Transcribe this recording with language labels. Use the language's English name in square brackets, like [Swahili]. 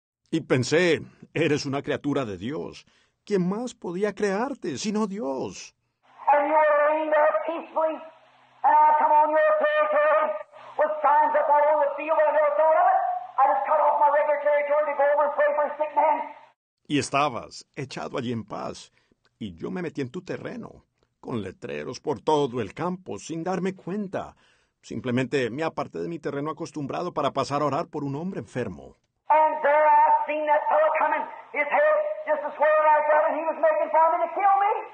[Spanish] Y pensé, eres una criatura de Dios. ¿Quién más podía crearte sino Dios? [English] And you were laying there peacefully, and I come on your territory with signs up all over the field, and never thought of it. I just cut off my regular territory to go over and pray for a sick man. [Spanish] Y estabas echado allí en paz, y yo me metí en tu terreno, con letreros por todo el campo, sin darme cuenta. Simplemente me aparté de mi terreno acostumbrado para pasar a orar por un hombre enfermo. [English] And there I seen that fellow coming, his head just as swollen as that, and he was making for me to kill me.